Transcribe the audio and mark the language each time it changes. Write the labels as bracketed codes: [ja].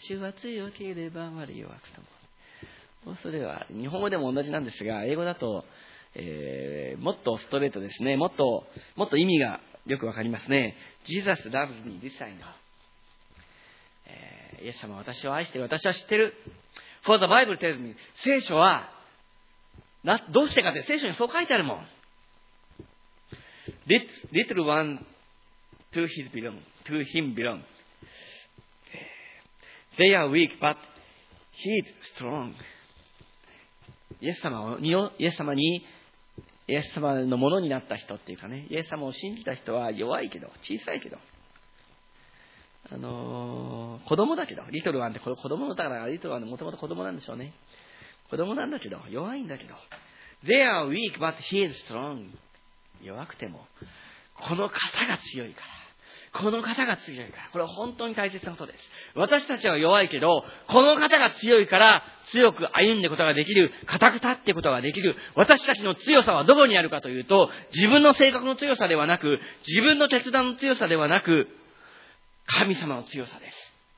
[ja] 主は強ければ我弱くとも。もうそれは日本語でも同じなんですが、英語だと、もっとストレートですね。もっと意味がよくわかりますね。 [en] Jesus loves me this I know。 [ja] イエス様は私を愛している、私は知っている。 [en] For the Bible tells me、 [ja] 聖書はどうしてかって聖書にそう書いてあるもん。 [en] Little one to his belong, to him belong. They are weak, but he is strong. [ja] イエス様にイエス様のものになった人っていうかね、イエス様を信じた人は弱いけど、小さいけど、子供だけど、リトルワンって子供のだから、リトルワンってもともと子供なんでしょうね。子供なんだけど、弱いんだけど。 [en] They are weak, but he is strong. [ja] 弱くても、この方が強いから。この方が強いから。これは本当に大切なことです。私たちは弱いけど、この方が強いから、強く歩んでことができる、固く立ってことができる。私たちの強さはどこにあるかというと、自分の性格の強さではなく、自分の決断の強さではなく、神様の強さです。